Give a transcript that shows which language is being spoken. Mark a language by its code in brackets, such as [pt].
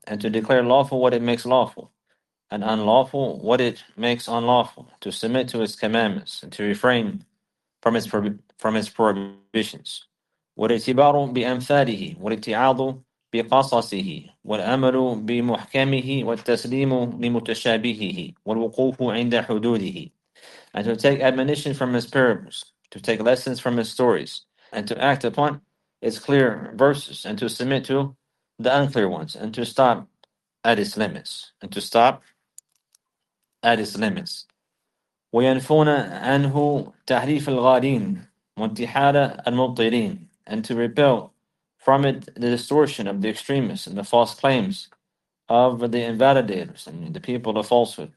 [en] And to declare lawful what it makes lawful, and unlawful what it makes unlawful, to submit to its commandments, and to refrain from its prohibitions. [ar] والاعتبار بأمثاله والاتعاظ بقصصه والأمل بمحكمه والتسليم لمتشابهه والوقوف عند حدوده. [en] And to take admonition from his parables, to take lessons from his stories, and to act upon its clear verses, and to submit to the unclear ones, and to stop at its limits, [ar] وَيَنْفُونَ عَنْهُ تَحْرِيفَ الْغَادِينَ وَانْتِحَالَ الْمُبْطِلِينَ, [en] and to repel from it the distortion of the extremists and the false claims of the invalidators and the people of falsehood.